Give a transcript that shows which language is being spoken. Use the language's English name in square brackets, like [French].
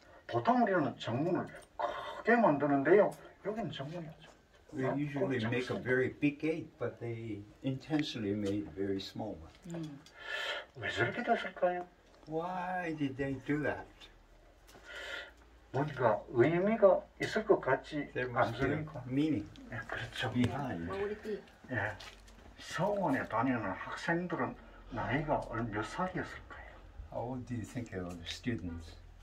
[Korean] 보통 우리는 정문을 크게 만드는데요. 여긴 정문이었죠. [English] We usually make a very big gate, but they intentionally made a very small one. [Korean] 왜 저렇게 됐을까요? [English] Why did they do that? [Korean] 뭔가 의미가 있을 것 같지 않습니까? [English] Meaning. [Korean] 예, 그렇죠. [English] Behind. [Korean] 예, 서원에 다니는 학생들은 나이가 몇 살이었을까요? [English] How old do you think they were, the students?